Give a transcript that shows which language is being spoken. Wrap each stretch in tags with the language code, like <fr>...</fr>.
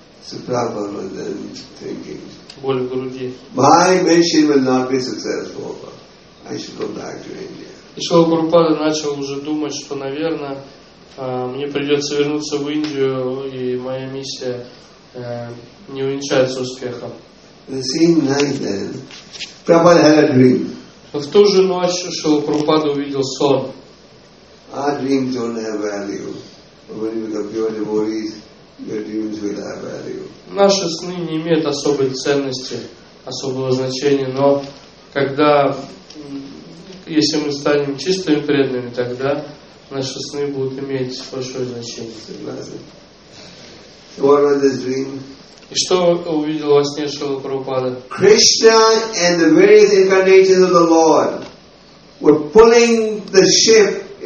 <en>So Prabhupada was then thinking,</en> <ru>боль в груди.</ru> <en>My mission will not be successful. I should go back to India.</en> <ru>И Шрила Прабхупада начал уже думать, что, наверное, мне придется вернуться в Индию, и моя миссия не увенчается успехом.</ru> <en>The same night then, Prabhupada had a dream.</en> <ru>Но в ту же ночь Шрила Прабхупада увидел сон.</ru> <en>Our dreams don't have value. When you become pure devotees, your dreams will have value.</en> <ru>Наши сны не имеют особой ценности, особого значения, но когда, если мы станем чистыми преданными, тогда наши сны будут иметь большое значение. Согласен.</ru> <en>What was this dream?</en> <ru>И что увидел во сне Шрила Прабхупада?</ru> <en>Krishna and the various incarnations of the Lord were pulling the ship</en>